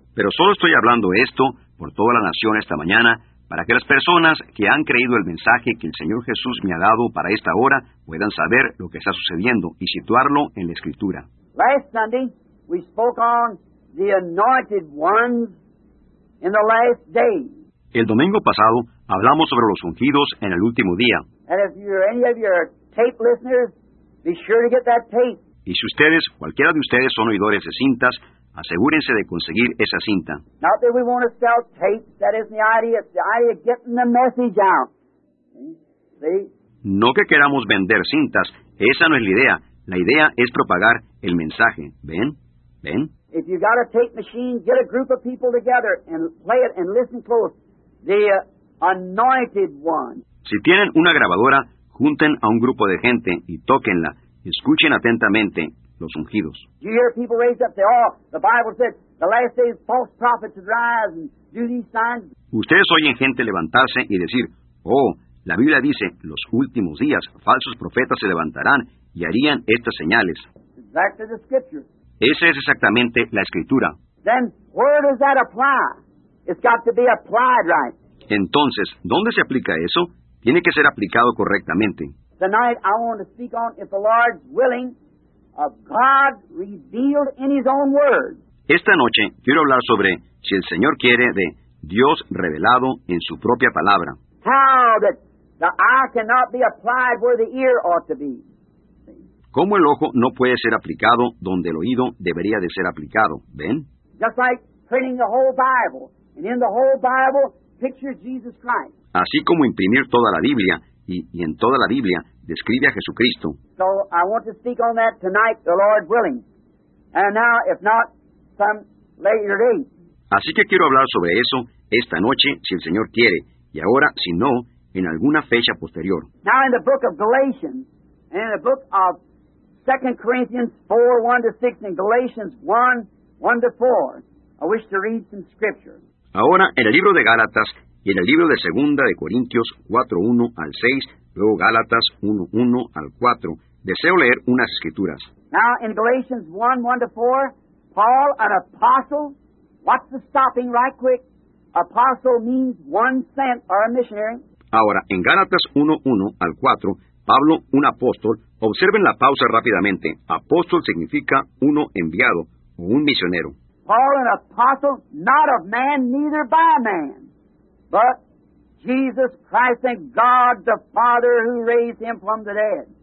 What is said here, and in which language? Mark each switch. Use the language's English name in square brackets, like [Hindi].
[Spanish] Pero solo estoy hablando esto por toda la nación esta mañana, para que las personas que han creído el mensaje que el Señor Jesús me ha dado para esta hora puedan saber lo que está sucediendo y situarlo en la Escritura. [English] Last Sunday, we spoke on the anointed ones in the last days. [Spanish] El domingo pasado, hablamos sobre los ungidos en el último día. [English] And if you're any of your tape listeners, be sure to get that tape. [Spanish] Y si ustedes, cualquiera de ustedes, son oidores de cintas, asegúrense de conseguir esa cinta. [English] Not that we want to sell tapes. That isn't the idea. It's the idea of getting the message out. See? [Spanish] No que queramos vender cintas. Esa no es la idea. La idea es propagar el mensaje. ¿Ven? ¿Ven? [English] If you've got a tape machine, get a group of people together and play it and listen close. The anointed one. [Spanish] Si tienen una grabadora, junten a un grupo de gente y tóquenla. Escuchen atentamente. Los ungidos. [English] You hear people raise up, say, oh, the Bible says the last days false prophets would rise and do these signs. [Spanish] Ustedes oyen gente levantarse y decir, oh, la Biblia dice, los últimos días falsos profetas se levantarán y harían estas señales. [English] Exactly the scripture. [Spanish] Esa es exactamente la escritura. [English] Then where does that apply? It's got to be applied right. [Spanish] Entonces, ¿dónde se aplica eso? Tiene que ser aplicado correctamente. [English] Tonight I want to speak on if the Lord's willing. Of God revealed in His own word. [Spanish] Esta noche quiero hablar sobre, si el Señor quiere, de Dios revelado en su propia palabra. [English] How that the eye cannot be applied where the ear ought to be. [Spanish] ¿Cómo el ojo no puede ser aplicado donde el oído debería de ser aplicado? ¿Ven? [English] Just like printing the whole Bible, and in the whole Bible, picture Jesus Christ. [Spanish] Así como imprimir toda la Biblia, y en toda la Biblia, describe a Jesucristo. [English] So I want to speak on that tonight, the Lord willing. And now, if not, some later day. [Spanish] Así que quiero hablar sobre eso esta noche, si el Señor quiere. Y ahora, si no, en alguna fecha posterior. [English] Now in the book of Galatians, and in the book of 2 Corinthians 4, 1-6, and Galatians 1, 1-4, I wish to read some scripture. [Spanish] Ahora, en el libro de Gálatas, y en el libro de 2 Corintios 4:1 al 6, luego Gálatas 1:1 al 4, deseo leer unas escrituras. [English] Now, in Galatians 1, 1-4, Paul, an apostle, what's the stopping right quick? Apostle means one sent or a missionary. [Spanish] Ahora, en Gálatas 1:1 al 4, Pablo, un apóstol, observen la pausa rápidamente. Apóstol significa uno enviado o un misionero. [English] Paul, an apostle, not of man, neither by man, but Jesus Christ and God the Father who raised him from the dead.